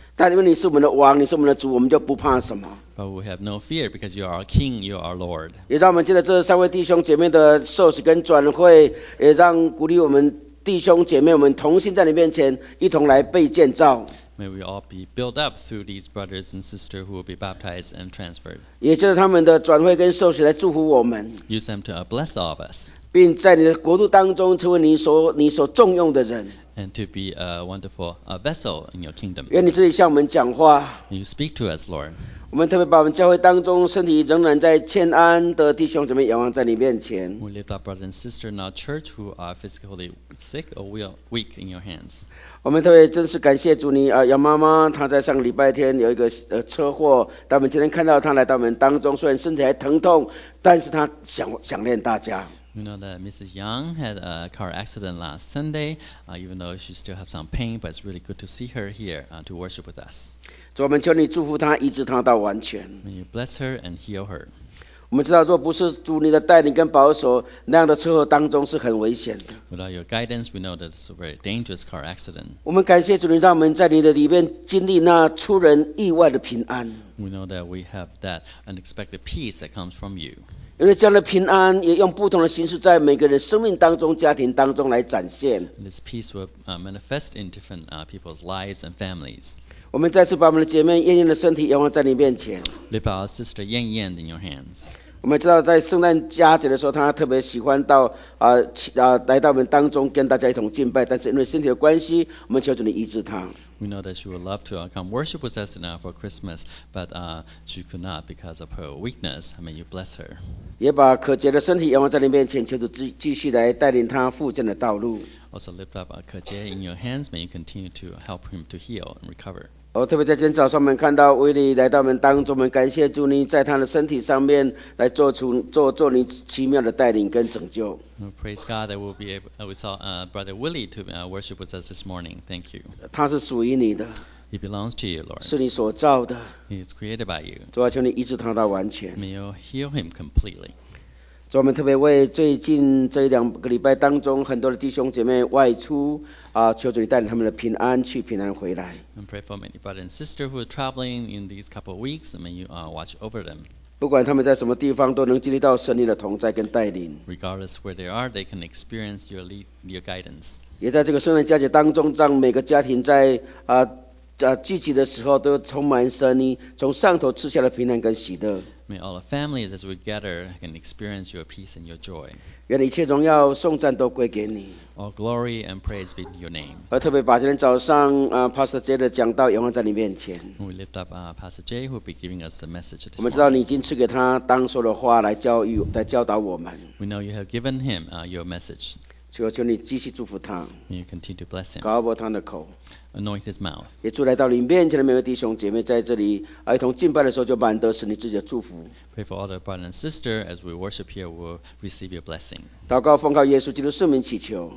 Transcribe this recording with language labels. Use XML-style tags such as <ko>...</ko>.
<zh>但因为你是我们的王，你是我们的主，我们就不怕什么。</zh> <en>But we have no fear because you are our King, you are our Lord.</en> <zh>也让我们借着这三位弟兄姐妹的受洗跟转会，也让鼓励我们弟兄姐妹，我们同心在你面前一同来被建造。</zh> <en>May we all be built up through these brothers and sisters who will be baptized and transferred.</en> <zh>也就是他们的转会跟受洗来祝福我们。</zh> <en>Use them to bless all of us.</en> <zh>并在你的国度当中成为你所重用的人。</zh> <en>And to be a wonderful vessel in your kingdom.</en> <zh>愿你自己向我们讲话。</zh> <en>You speak to us, Lord.</en> <zh>我们特别把我们教会当中身体仍然在欠安的弟兄姊妹仰望在你面前。</zh> <en>We lift up brothers and sisters in our church who are physically sick or weak in your hands.</en> <zh>我们特别真是感谢主你啊，杨妈妈她在上个礼拜天有一个车祸，但我们今天看到她来到我们当中，虽然身体还疼痛，但是她想念大家。</zh> <en>You know that Mrs. Yang had a car accident last Sunday, even though she still has some pain, but it's really good to see her here, to worship with us.</en> <zh>主，我们求你祝福她，医治她到完全。</zh> <en>May you bless her and heal her.</en> <zh>我们知道，若不是主你的带领跟保守，那样的车祸当中是很危险的。</zh> <en>Without your guidance, we know that it's a very dangerous car accident.</en> <zh>我们感谢主，你让我们在你的里面经历那出人意外的平安。</zh> <en>We know that we have that unexpected peace that comes from you.</en> <zh>因为这样的平安也用不同的形式在每个人生命当中、家庭当中来展现。</zh> <en>This peace will manifest in different people's lives and families.</en> <zh>我们再次把我们的姐妹燕燕的身体仰望在你面前。</zh> <en>Lift our sister Yan Yan in your hands.</en> <zh>我们知道在圣诞佳节的时候，她特别喜欢到来到我们当中跟大家一同敬拜。但是因为身体的关系，我们求主你医治她。</zh> <en>We know that she would love to come worship with us now for Christmas, but she could not because of her weakness. May you bless her.</en> <zh>也把可洁的身体仰望在你面前，求主继续来带领她复健的道路。</zh> <en>Also lift up Ke Jie in your hands. May you continue to help him to heal and recover.</en> <zh>特别在今天早上我们看到威利来到我们当中，我们感谢主你在他的身体上面来做你奇妙的带领跟拯救。</zh> <en>Praise God that we'll be able, we saw Brother Willie to worship with us this morning. Thank you.</en> <zh>他是属于你的。</zh> <en>He belongs to you, Lord.</en> <zh>是你所造的。</zh> <en>He is created by you.</en> <zh>主啊，求你医治他到完全。</zh> <en>May you heal him completely.</en> <zh>主，我们特别为最近这两个礼拜当中很多的弟兄姐妹外出求主你带领他们的平安去平安回来。</zh> <en>And pray for many brothers and sisters who are traveling in these couple of weeks. May you watch over them.</en> <zh>不管他们在什么地方都能经历到神你的同在跟带领。</zh> <en>Regardless where they are, they can experience your guidance.</en> <zh>也在这个圣诞佳节当中让每个家庭在聚集的时候都充满神你从上头赐下的平安跟喜乐。</zh> <en>May all the families as we gather can experience your peace and your joy.</en> <zh>愿一切荣耀颂赞都归给你。</zh> <en>All glory and praise be your name.</en> <zh>而特别把今天早上Pastor Jay 的讲道仰望在你面前。</zh> <en>We lift up Pastor Jay who will be giving us the message this morning.</en> <zh>我们知道你已经赐给他当说的话来教导我们。</zh> <en>We know you have given him your message.</en> <zh>求你继续祝福他。</zh> <en>You continue to bless him.</en> <zh>高过他的口。</zh> <en>Anoint his mouth.</en> <zh>也祝来到你面前的每位弟兄姐妹在这里一同敬拜的时候就满得是你自己的祝福。</zh> <en>Pray for all the brothers and sisters as we worship here will receive your blessing.</en> <zh>祷告奉靠耶稣基督圣名祈求。</zh>